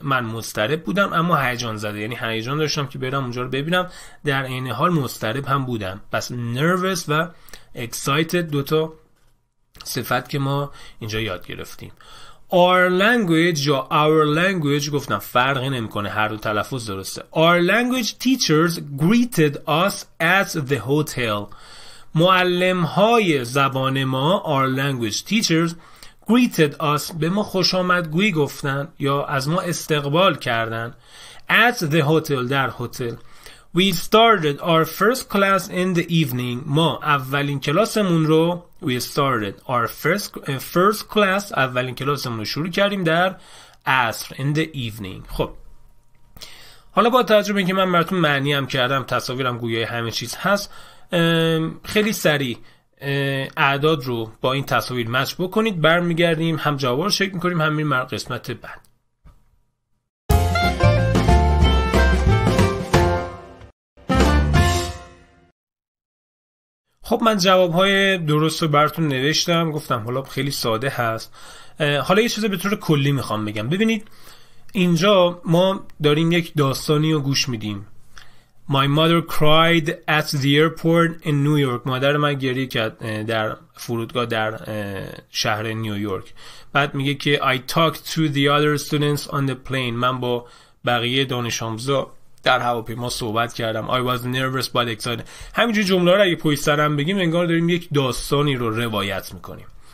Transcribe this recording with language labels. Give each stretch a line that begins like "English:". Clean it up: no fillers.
Persian: من مضطرب بودم اما هیجان زده. یعنی هیجان داشتم که برم اونجا رو ببینم، در این حال مضطرب هم بودم. پس nervous و excited دوتا صفت که ما اینجا یاد گرفتیم.
English: Our language
Persian: گفتم فرقی نمی کنه، هر دو تلفظ درسته.
English: Our language teachers greeted us at the hotel.
Persian: معلم های زبان ما،
English: our language teachers greeted us،
Persian: به ما خوش آمدگویی گفتن یا از ما استقبال کردن.
English: At the hotel،
Persian: در هتل.
English: We started our first class in the evening.
Persian: ما اولین کلاسمون رو
English: we started our first class
Persian: اولین کلاسمون رو شروع کردیم در عصر.
English: In the evening.
Persian: خب حالا با تجربه این که من براتون معنی هم کردم، تصاویرم گویای همه چیز هست، خیلی سریع اعداد رو با این تصاویر مچ بکنید، برمیگردیم هم جواب رو شکل میکنیم هم میریم مرد قسمت بعد. خب من جوابهای درست رو براتون نوشتم، گفتم حالا خیلی ساده هست. حالا یه چیز به طور کلی میخوام بگم. ببینید اینجا ما داریم یک داستانی رو گوش میدیم.
English: My mother cried at the airport in New York.
Persian: مادر من گریه کرد در فرودگاه در شهر نیویورک. بعد میگه که
English: I talked to the other students on the plane.
Persian: من با بقیه دانش آموزا در هواپیما صحبت کردم.
English: I was nervous but excited.
Persian: همینجور جمله رو اگه پشت سر هم بگیم انگار داریم یک داستانی رو روایت میکنیم.